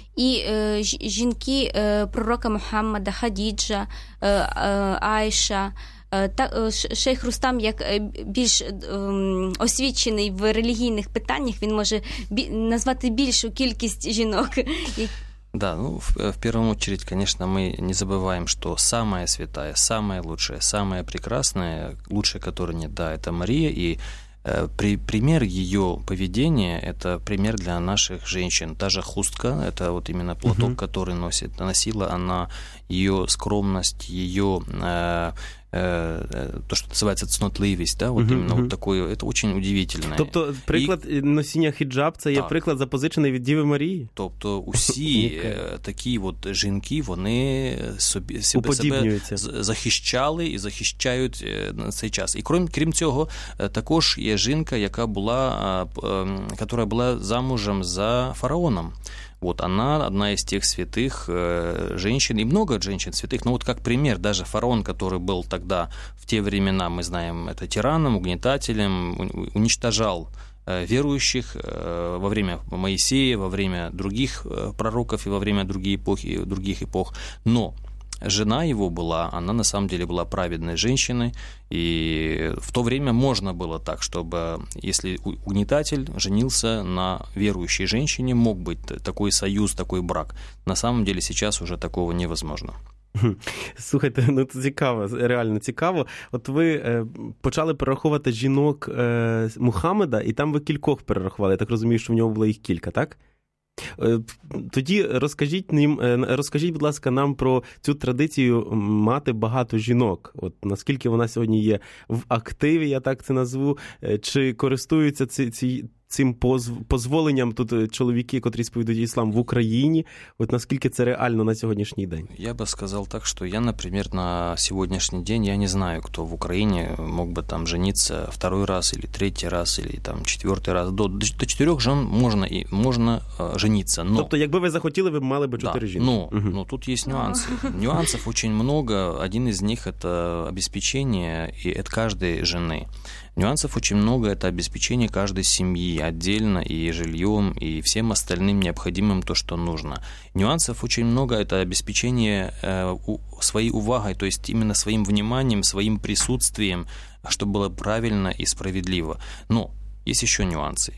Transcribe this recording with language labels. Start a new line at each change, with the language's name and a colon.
Ukrainian: І жінки пророка Мухаммада, Хадіджа, Айша, шейх Рустам, як більш освічений в релігійних питаннях, він може назвати більшу кількість жінок.
Russian: Да, ну, в первую очередь, конечно, мы не забываем, что самое святое, самое лучшее, самое прекрасное, лучшее, которое нет, да, это Мария, и пример ее поведения – это пример для наших женщин. Та же хустка – это вот именно платок, угу, который носит, носила она, ее скромность, ее то, что называется цнотливость, да, вот именно вот такое, это очень удивительное.
Ukrainian: Тобто, приклад носіння хіджаб – це є приклад, запозичений від Діви Марії? Тобто, усі такі вот жінки, вони себе захищали і захищають на цей час. І крім цього, також є жінка, яка була,
Russian: которая
Ukrainian: була замужем за фараоном.
Russian: Вот она одна из тех святых женщин, и много женщин святых, но вот как пример, даже фараон, который был тогда, в те времена, мы знаем, это тираном, угнетателем, уничтожал верующих во время Моисея, во время других пророков и во время других эпох, но жена его была, она на самом деле была праведной женщиной, и в то время можно было так, чтобы если угнетатель женился на верующей женщине, мог быть такой союз, такой брак. На самом деле сейчас уже такого невозможно.
Ukrainian: Слухайте, ну це цікаво, реально цікаво. От ви почали перераховувати жінок Мухаммеда, і там ви кількох перерахували. Я так розумію, що в нього було їх кілька, так? Тоді розкажіть, будь ласка, нам про цю традицію мати багато жінок. От наскільки вона сьогодні є в активі, я так це назву, чи користуються цим позволенням тут чоловіки, котрі сповідують іслам в Україні, от наскільки це реально на сьогоднішній день? Я би сказав так, що я, наприклад, на сьогоднішній день, я не знаю, хто в Україні мог би там жениться
Russian: второй раз, или
Ukrainian: третій раз, или там четвертий раз. До чотирьох жін можна жениться. Но... Тобто, якби ви захотіли, ви мали би чотири, жінки. Ну, угу. Тут є нюанси. Нюансів дуже багато. Один із них – це обеспечення і від кожної жінки.
Russian: Нюансов очень много, это обеспечение каждой семьи отдельно и жильем, и всем остальным необходимым, то, что нужно. Нюансов очень много, это обеспечение своей увагой, то есть именно своим вниманием, своим присутствием а чтобы было правильно и справедливо. Но есть еще нюансы.